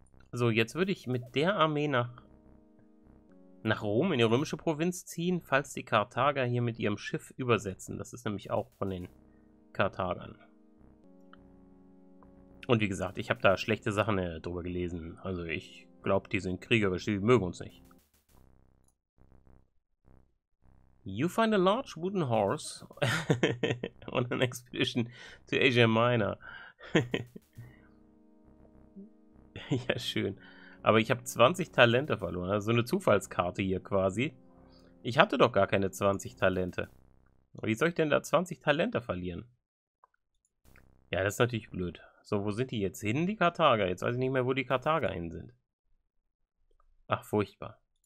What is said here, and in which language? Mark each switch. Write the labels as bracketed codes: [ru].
[de] So, jetzt würde ich mit der Armee nach Rom, in die römische Provinz ziehen, falls die Karthager hier mit ihrem Schiff übersetzen. Das ist nämlich auch von den Karthagern. Und wie gesagt, ich habe da schlechte Sachen drüber gelesen. Also ich glaube, die sind kriegerisch, die mögen uns nicht. [en] You find a large wooden horse on an expedition to Asia Minor. [de] Ja, schön. Aber ich habe 20 Talente verloren. Also eine Zufallskarte hier quasi. Ich hatte doch gar keine 20 Talente. Wie soll ich denn da 20 Talente verlieren? Ja, das ist natürlich blöd. So, wo sind die jetzt hin, die Karthager? Jetzt weiß ich nicht mehr, wo die Karthager hin sind. Ach, furchtbar.